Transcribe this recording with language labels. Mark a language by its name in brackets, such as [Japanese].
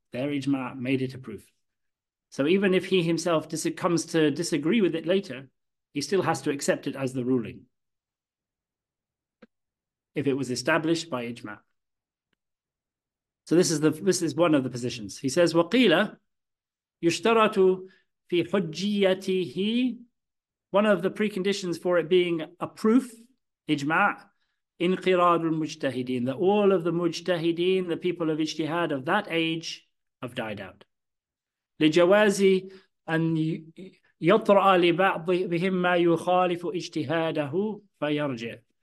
[English] their ijma made it a proof. So even if he himself comes to disagree with it later, he still has to accept it as the ruling. If it was established by ijma. So this is one of the positions. He says, [Arabic] وَقِيلَ يُشْتَرَتُ فِي حُجِّيَّتِهِ. [English] One of the preconditions for it being a proof, ijma', inqiradul mujtahideen, that all of the mujtahideen, the people of ijtihad of that age, have died out. [Arabic] لِجَوَازِ أَنْ يَطْرَأَ لِبَعْضِهِمْ مَا يُخَالِفُ اجْتِهَادَهُ فَيَرْجِعُ.